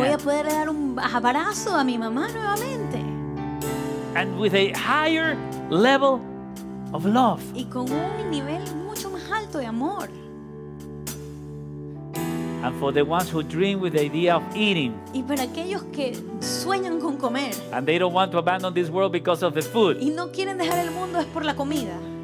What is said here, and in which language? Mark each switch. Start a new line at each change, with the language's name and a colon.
Spanish: Voy a poder dar un abrazo a mi mamá nuevamente.
English: And with a higher level of love.
Spanish: Y con un nivel mucho más alto de amor.
English: And for the ones who dream with the idea of eating.
Spanish: Y para aquellos que sueñan con comer.
English: And they don't want to abandon this world because of the food.
Spanish: Y no quieren dejar el mundo es por la comida.